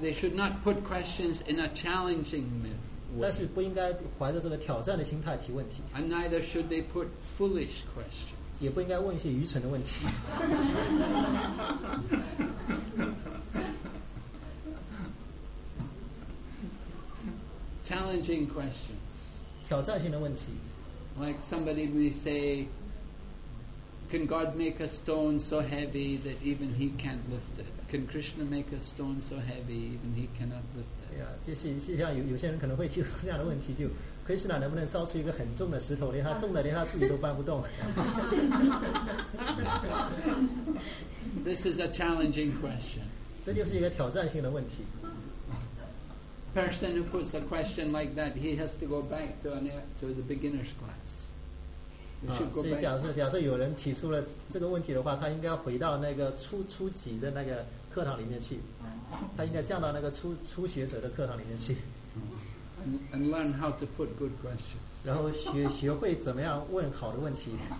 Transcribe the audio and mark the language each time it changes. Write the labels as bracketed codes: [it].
[en] they should not put questions in a challenging manner. [zh] 但是不应该怀着这个挑战的心态提问题。And [en] neither should they put foolish questions. [zh] 也不应该问一些愚蠢的问题。Challenging [en] questions. [zh] 挑战性的问题, [en] like somebody may say, can God make a stone so heavy that even he can't lift it? Can Krishna make a stone so heavy even he cannot lift it? [zh] Yeah, 就是像有些人可能会提出这样的问题, 就 Krishna 能不能造出一个很重的石头, 连他重的连他自己都搬不动。 [en] This is a challenging question. [zh] 这就是一个挑战性的问题。 [en] Person who puts a question like that, he has to go back to the beginner's class. [zh] 所以假设有人提出了这个问题的话，他应该回到那个初级的那个课堂里面去。他应该降到那个初学者的课堂里面去。 [en] And learn how to put good questions. [zh] 然后学会怎么样问好的问题。